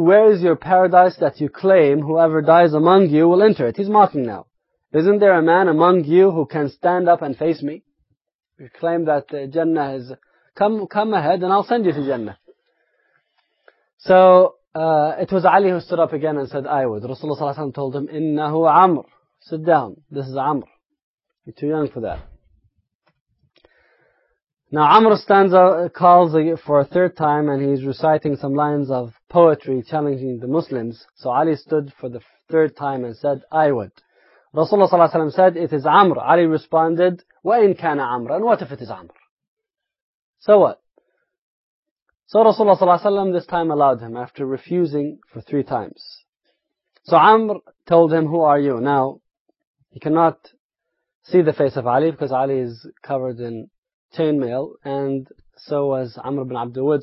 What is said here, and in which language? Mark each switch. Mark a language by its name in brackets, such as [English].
[English] Where is your paradise that you claim whoever dies among you will enter it? He's mocking now. Isn't there a man among you who can stand up and face me? You claim that Jannah is... Come ahead and I'll send you to Jannah. So It was Ali who stood up again and said, I would. Rasulullah صلى الله عليه وسلم told him, [Arabic] إِنَّهُ عَمْر. [English] Sit down. This is Amr. You're too young for that. Now Amr stands up, calls for a third time, and he's reciting some lines of poetry challenging the Muslims. So Ali stood for the third time and said, I would. Rasulullah صلى الله عليه وسلم said, it is Amr. Ali responded, [Arabic] وَإِنْ كَانَ عَمْرًا. [English] What if it is Amr? So what? So Rasulullah صلى الله عليه وسلم this time allowed him after refusing for three times. So Amr told him, who are you? Now, he cannot see the face of Ali because Ali is covered in chainmail, and so was Amr ibn Abdul Wud.